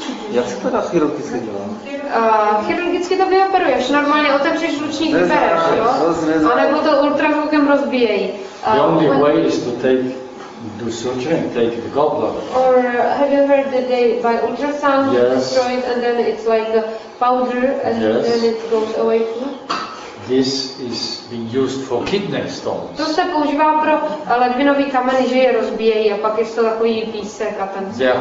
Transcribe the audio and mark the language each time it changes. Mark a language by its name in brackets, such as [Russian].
[Czech] Jak se teda chirurgicky dělá? Chirurgicky to vyoperuješ, normálně otevřeš žlučník, vybereš, jo? A nebo to ultrazvukem rozbíjejí. [English] The only way is to take do surgery and take the gallbladder. Or have you heard that they by ultrasound destroy it and then it's like a powder and then it goes away too? This is being used for kidney stones. [Czech] To se používá pro ledvinový kamen, že je rozbíjejí a pak je to takový písek a ten.